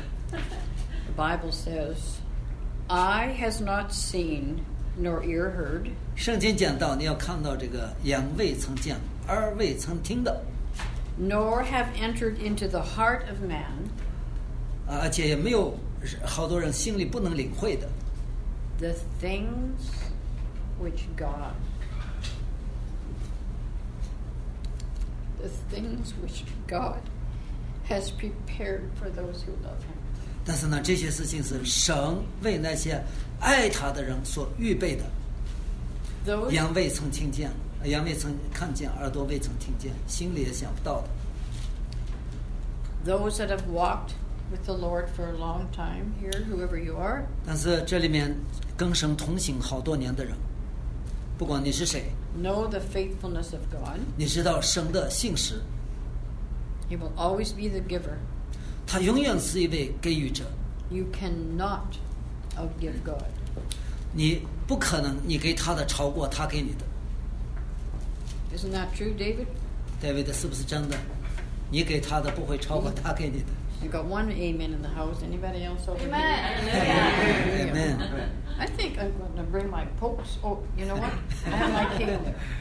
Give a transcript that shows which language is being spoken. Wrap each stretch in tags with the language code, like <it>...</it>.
<en>The Bible says, "Eye has not seen, nor ear heard."</en> <zh>圣经讲到，你要看到这个眼未曾见，耳未曾听的。</zh> <en>Nor have entered into the heart of man.</en> <zh>而且也没有好多人心里不能领会的。</zh> <en>The things. Which God, the things which God has prepared for those who love Him.</en> <zh>但是呢，这些事情是神为那些爱他的人所预备的。</zh> <en>Those</en> <zh>眼未曾听见，眼未曾看见，耳朵未曾听见，心里也想不到的。</zh> <en>Those that have walked with the Lord for a long time here, whoever you are.</en> <zh>但是这里面跟神同行好多年的人。不管你是谁，</zh> <en>know the faithfulness of God.</en> <zh>你知道神的信实。</zh> <en>He will always be the giver.</en> <zh>他永远是一位给予者。</zh> <en>You cannot outgive God.</en> <zh>你不可能，你给他的超过他给你的。</zh> <en>Isn't that true, David?</en> <zh>David, 是不是真的？你给他的不会超过他给你的。</zh> <en>You got one amen in the house. Anybody else over here? Amen. Amen. I think I'm going to bring my popes. Oh, you know what? I have my cane.</en>